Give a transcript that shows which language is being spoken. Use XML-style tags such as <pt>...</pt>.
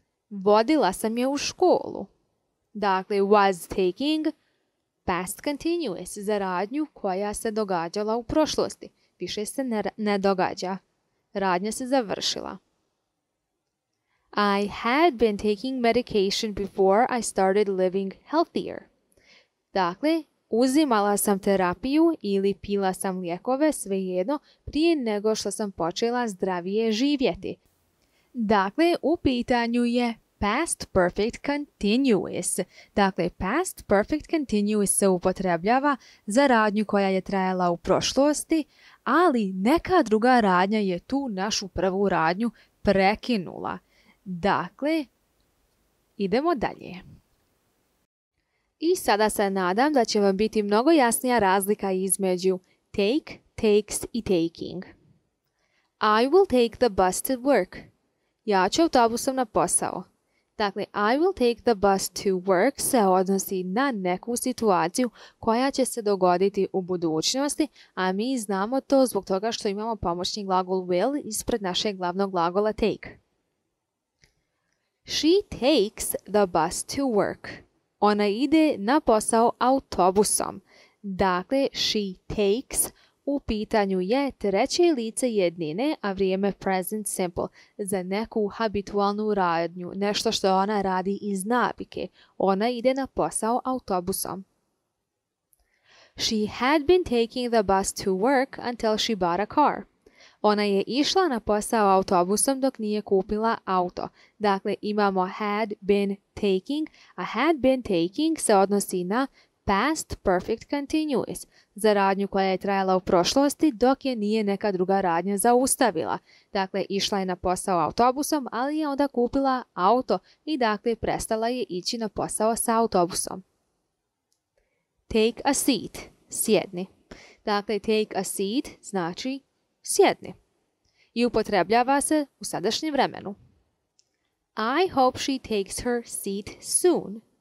<bs>Vodila sam je u školu. Dakle, was taking, past continuous, za radnju koja se događala u prošlosti. Više se ne događa. Radnja se završila.</bs> <en>I had been taking medication before I started living healthier.</en> <bs>Dakle, uzimala sam terapiju ili pila sam lijekove, svejedno, prije nego što sam počela zdravije živjeti. Dakle, u pitanju je past perfect continuous. Dakle, past perfect continuous se upotrebljava za radnju koja je trajala u prošlosti, ali neka druga radnja je tu našu prvu radnju prekinula. Dakle, idemo dalje. I sada se nadam da će vam biti mnogo jasnija razlika između take, takes i taking.</bs> <en>I will take the bus to work.</en> <bs>Ja ću autobusom na posao. Dakle,</bs> <en>I will take the bus to work</en> <bs>se odnosi na neku situaciju koja će se dogoditi u budućnosti, a mi znamo to zbog toga što imamo pomoćni glagol will ispred našeg glavnog glagola take.</bs> <en>She takes the bus to work.</en> <bs>Ona ide na posao autobusom. Dakle, she takes, u pitanju je treće lice jednine, a vrijeme present simple, za neku habitualnu radnju, nešto što ona radi iz navike. Ona ide na posao autobusom.</bs> <en>She had been taking the bus to work until she bought a car.</en> <bs>Ona je išla na posao autobusom dok nije kupila auto. Dakle, imamo had been taking, a had been taking se odnosi na past perfect continuous, za radnju koja je trajala u prošlosti dok je nije neka druga radnja zaustavila. Dakle, išla je na posao autobusom, ali je onda kupila auto i dakle prestala je ići na posao sa autobusom.</bs> <en>Take a seat, sjedni.</en> <bs>Dakle, take a seat znači sjedni. I upotrebljava se u sadašnjem vremenu.</bs> <en>I hope she takes her seat soon.</en>